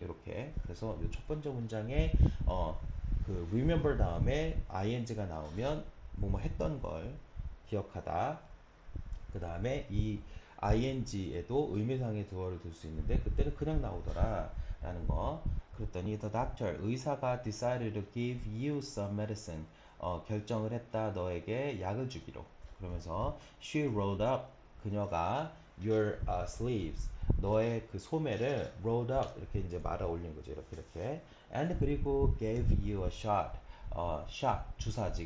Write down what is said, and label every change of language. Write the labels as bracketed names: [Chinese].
[Korean] 이렇게. 그래서 요첫 번째 문장에 그 remember 다음에 ing가 나오면 뭐뭐 했던 걸 기억하다. 그 다음에 이 ing에도 의미상의 두어를 둘수 있는데 그때는 그냥 나오더라라는 거. 그랬더니 the doctor, 의사가 [English] decided to give you some medicine. [Korean] 결정을 했다, 너에게 약을 주기로. 그러면서 [English] she rolled up, [Korean] 그녀가 your sleeves, 너의 그 소매를 rolled up, 이렇게 이제 말아 올린 거지, 이렇게. And 그리고 [English] gave you a shot, shot, [Korean] 주사지.